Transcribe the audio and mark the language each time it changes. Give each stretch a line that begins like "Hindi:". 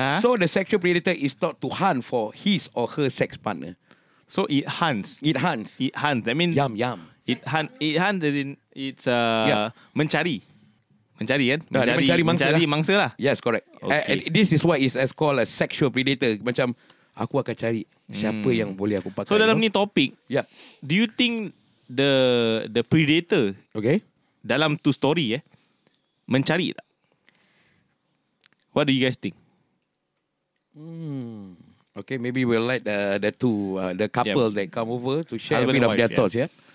English: So the sexual predator is taught to hunt for his or her sex partner. So it hunts. It hunts. It hunts. I mean, yum. It hunts,
Malay: mencari. Mencari kan? Mencari mangsa lah.
English: Yes, correct. Okay. This is what is as called a sexual predator.
Malay: Macam, aku akan cari siapa yang boleh aku pakai. So dalam ni topik,
English: yeah. Do you think the predator, okay,
Malay: dalam tu story mencari tak?
English: What do you guys think? Okay, maybe we'll let the couple that come over to share a bit of their thoughts, yeah?